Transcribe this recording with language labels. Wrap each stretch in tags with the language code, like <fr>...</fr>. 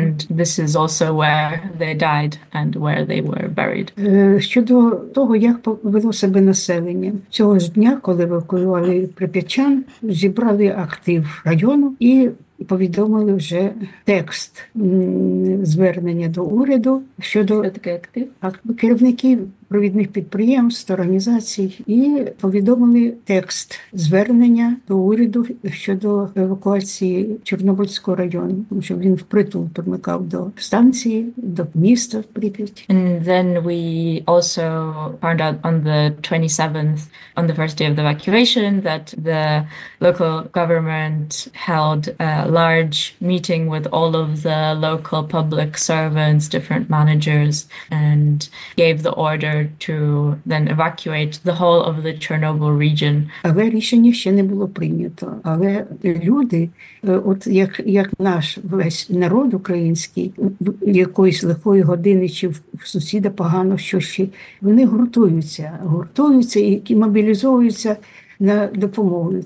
<en>This is also where they died and where they were buried.</en> <uk>Щодо того, як повело себе населення. Цього ж дня, коли евакуювали прип'ячан, зібрали актив району і повідомили вже текст звернення до уряду щодо керівників провідних підприємств, організацій, і повідомили текст звернення до уряду щодо евакуації Чорнобильського району, тому що він впритул примикав до станції, до міста Прип'ять.</uk> <en>And then we also found out on the 27th, on the first day of the evacuation, that the local government held a large meeting with all of the local public servants, different managers, and gave the order to then evacuate the whole of the Chernobyl region.</en> <uk>Але рішення ще не було прийнято. Але люди, от як наш весь народ український, в якоїсь лихої години чи в сусіда погано що ще, вони гуртуються і мобілізовуються на допомогу.</uk>